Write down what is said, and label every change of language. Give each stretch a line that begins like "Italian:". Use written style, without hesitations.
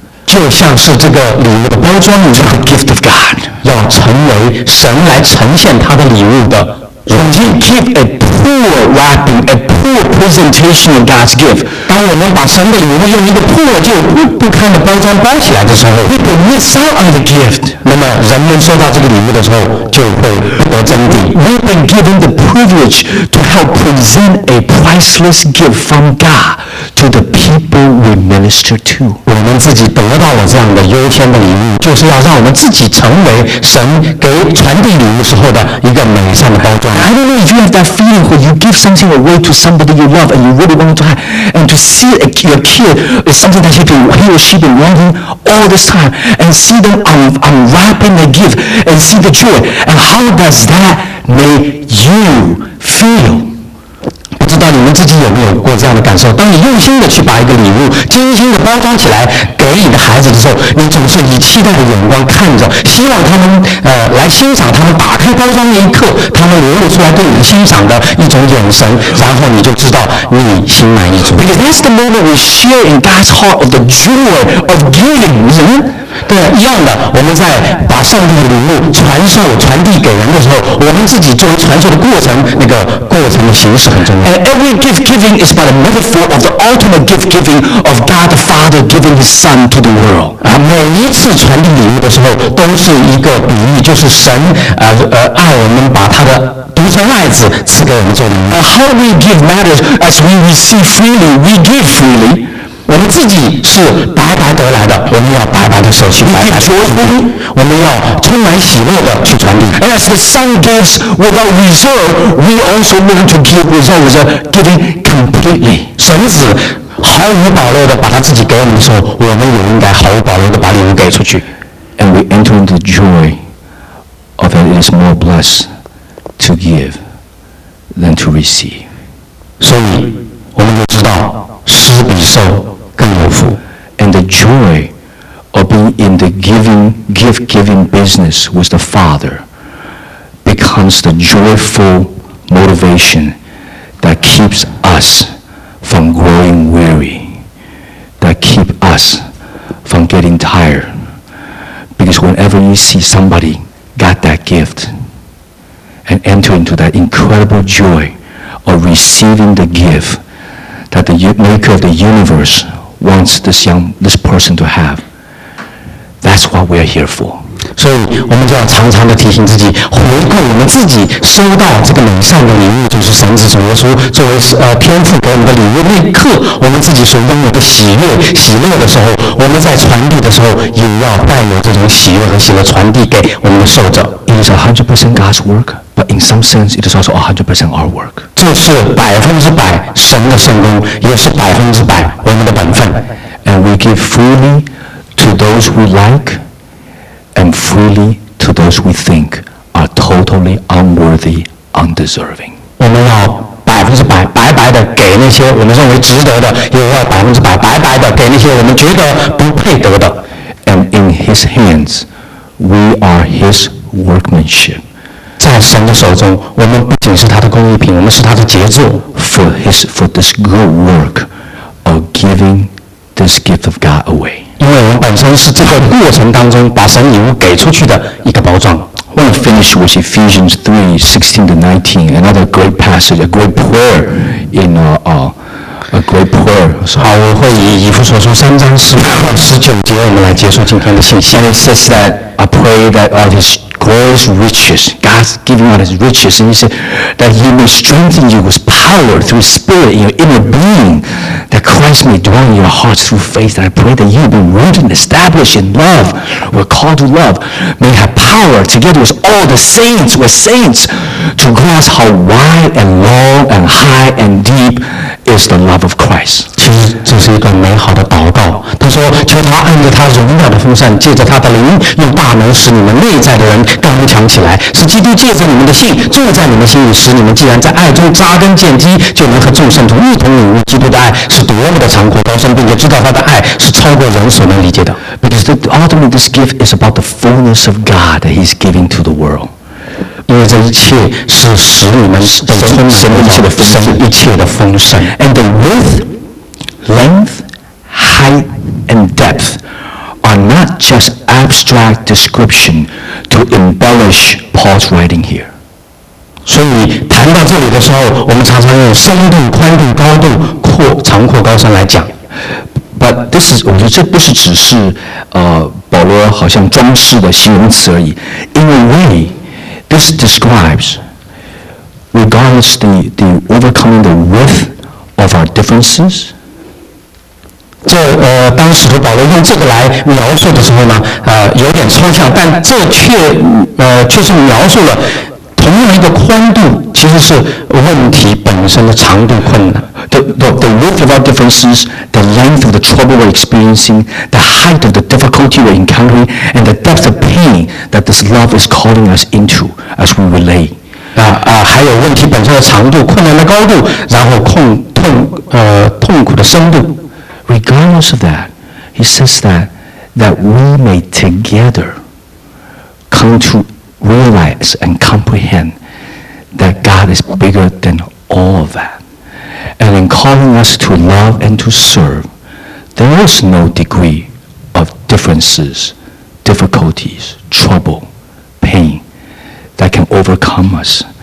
Chinese: 就像是这个礼物的包装一样
English: ，the gift of God.
Chinese: 要成为神来呈现他的礼物的。
English: When you keep a poor wrapping, a poor presentation of God's gift,
Chinese: 当我们把神的礼物用一个破旧、不堪的包装包起来的时候
English: ，people miss out on the gift.
Chinese: 那么人们收到这个礼物的时候，就会不得真谛。
English: We've been given the privilege to help present a priceless gift from God to the people we minister to.
Chinese: 我们自己得到了这样的优先的礼物，就是要让我们自己成为神给传递礼物时候的一个美善的包装。
English: I don't know if you have that feeling when you give something away to somebody you love and you really want to have, and to see your kid is something that he or she been wanting all this time, and see them unwrapping the gift and see the joy, and how does that make you feel?
Chinese: 不知道你们自己有没有过这样的感受，当你用心的去把一个礼物精心的包装起来给你的孩子的时候，你总是以期待的眼光看着，希望他们来欣赏他们打开包装那一刻他们流露出来对你欣赏的一种眼神，然后你就知道你心满意足。
English: Because that's the moment we share in God's heart of the joy of giving, isn't it?
Chinese: 对，一样的，我们在把上帝的礼物传递给人的时候，我们自己作为传授的过程，那个过程的形式很重要。
English: And every gift giving is but a metaphor of the ultimate gift giving of God the Father giving His Son to the world.
Chinese: 啊，每一次传递礼物的时候，都是一个比喻，就是神爱我们，把他的独生爱子赐给我们做礼物。
English: How we give matters as we receive freely, we give freely.
Chinese: 我们自己是白白得来的，我们要白白的舍弃，白白传递。我们要充满喜乐的去传递。
English: As the Son gives without reserve, we also learn to give without reserve, giving completely.
Chinese: 神子毫无保留的把他自己给我们的时候，我们也应该毫无保留的把礼物给出去。
English: And we enter into the joy of it is more blessed to give than to receive.
Chinese: 所以我们就知道施比受更有福。
English: And the joy of being in the giving, gift-giving business with the Father becomes the joyful motivation that keeps us from growing weary, that keeps us from getting tired. Because whenever you see somebody got that gift and enter into that incredible joy,of receiving the gift that the maker of the universe wants this young, this person to have. That's what we are here for.
Chinese: 所以我们就要常常地提醒自己，回顾我们自己收到这个美善的礼物，就是神子从耶稣作为天父给我们的礼物，那一刻我们自己所拥有的喜悦，喜乐的时候，我们在传递的时候也要带有这种喜悦和喜乐传递给我们的受者。
English: It is 100% God's work, but in some sense it is also 100% our work.
Chinese: 这是百分之百神的圣功，也是百分之百我们的本分。
English: And we give freely to those we likeAnd freely to those we think are totally unworthy, undeserving.
Chinese: 我们要百分之百白白的给那些我们认为值得的，也要百分之百白白的给那些我们觉得不配得的。
English: And in His hands, we are His workmanship.
Chinese: 在神的手中，我们不仅是他的工艺品，我们是他的杰作。
English: For this good work of giving this gift of God away.
Chinese: 因为我们本身是这个过程当中把神礼物给出去的一个包装。
English: I want to finish with Ephesians 3:16-19, another great passage, a great prayer in a great prayer.
Chinese: 好，我会以以弗所书三章十五到十九节，我们来结束今天的信息。
English: And it says that I pray that all His glorious riches, God's giving out His riches, and He said that He may strengthen you with power through His Spirit in your inner being. That Christ may dwell in your hearts through faith, and I pray that you be rooted and established in love, we're called to love, may have power together with all the saints, with saints, to grasp how wide and long and high and deep is the love of Christ.
Chinese: 其实这是一个美好的祷告。他说，求他按着他荣耀的丰盛，借着他的灵，用大能使你们内在的人刚强起来，使基督借着你们的信住在你们心里，使你们既然在爱中扎根建基，就能和众圣徒一同领悟基督的爱。是多么的残酷高深，并且知道他的爱是超过人所能理解的。
English: Because ultimately, this gift is about the fullness of God that He's giving to the world.
Chinese: 因为这一切是使你们被充满神一切的丰盛，一切的丰盛。
English: And the width, length, height, and depth are not just abstract description to embellish Paul's writing here.
Chinese: 所以谈到这里的时候，我们常常用深度、宽度、高度、阔、长阔、高深来讲。
English: But this is,
Chinese: 我觉得这不是只是保罗好像装饰的形容词而已。
English: In a way, this describes, regardless the overcoming the width of our differences.
Chinese: 这当使徒保罗用这个来描述的时候呢，有点抽象，但这却是描述了。同样一个宽度，其实是问题本身的长度困难。
English: The width of our differences, the length of the trouble we're experiencing, the height of the difficulty we're encountering, and the depth of pain that this love is calling us into as we relay.
Chinese: 还有问题本身的长度、困难的高度，然后痛苦的深度。
English: Regardless of that, he says that we may together come to. Realize and comprehend that God is bigger than all of that. And in calling us to love and to serve, there is no degree of differences, difficulties, trouble, pain that can overcome us.